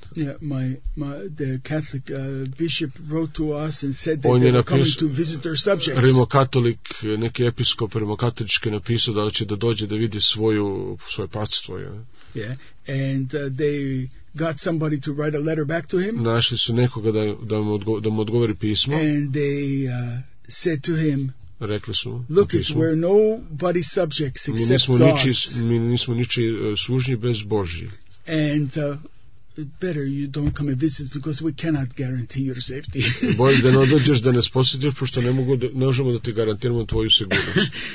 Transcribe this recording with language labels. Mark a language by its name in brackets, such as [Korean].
[English] Yeah, my the Catholic bishop wrote to us and said that they're coming to visit their subjects. [Serbian] Rimokatolik, neki episkop rimokatolički napisao da će da dođe da vidi svoje pastvo. [English] Yeah, and they got somebody to write a letter back to him. [Serbian] Našli su nekoga da mu odgovori pismo. [English] And they said to him, [Serbian] rekli su, [English] look, we're nobody's subjects except God. [Serbian] Mi nismo ničiji služni bez Božji. [English] And better you don't come and visit because we cannot guarantee your safety. [Serbian] Bolje da ne dođeš da nas posjetiš pošto ne mogu ne možemo da ti garantiramo tvoju sigurnost.